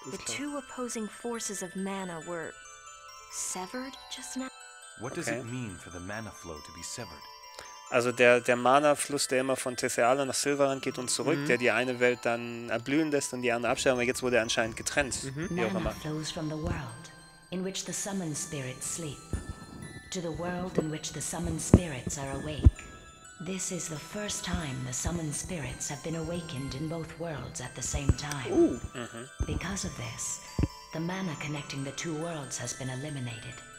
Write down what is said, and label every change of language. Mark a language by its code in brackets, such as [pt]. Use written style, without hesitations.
[en] the two opposing forces of mana were severed just now. What does it mean for the mana flow to be severed? [de] Also der Mana-Fluss, der immer von Tethiala nach Sylvaran geht und zurück, der die eine Welt dann erblühen lässt und die andere abstellt, aber jetzt wurde er anscheinend getrennt. [en] Mana flows from the world in which the summon spirits sleep to the world in which the summon spirits are awake. This is the first time the summon spirits have been awakened in both worlds at the same time. Because of this, the mana connecting the two worlds has been eliminated.